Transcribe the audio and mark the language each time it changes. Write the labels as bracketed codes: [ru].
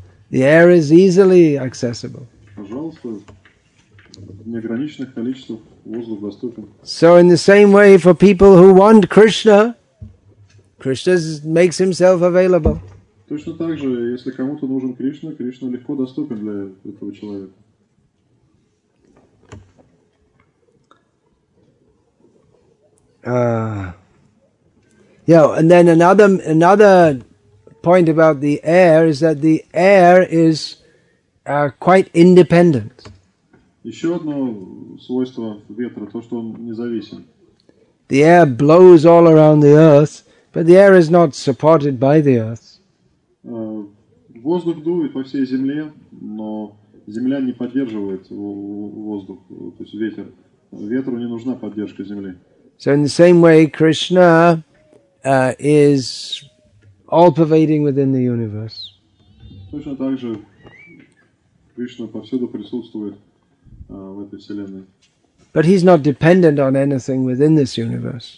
[en] The air is easily accessible. [ru] Пожалуйста, неограниченных количествах воздух доступен. [en] So in the same way for people who want Krishna, Krishna makes himself available. [ru] Точно так же, если кому-то нужен Кришна, Кришна легко доступен для этого человека. [en] And then another point about the air is that the air is quite independent. [ru] Еще одно свойство ветра то, что он независим. [en] The air blows all around the earth, but the air is not supported by the earth. [ru] Воздух дует по всей земле, но земля не поддерживает воздух, то есть ветер. Ветру не нужна поддержка земли. [en] So in the same way, Krishna is all-pervading within the universe. [ru] Точно так же Кришна повсюду присутствует в этой вселенной. [en] But he's not dependent on anything within this universe.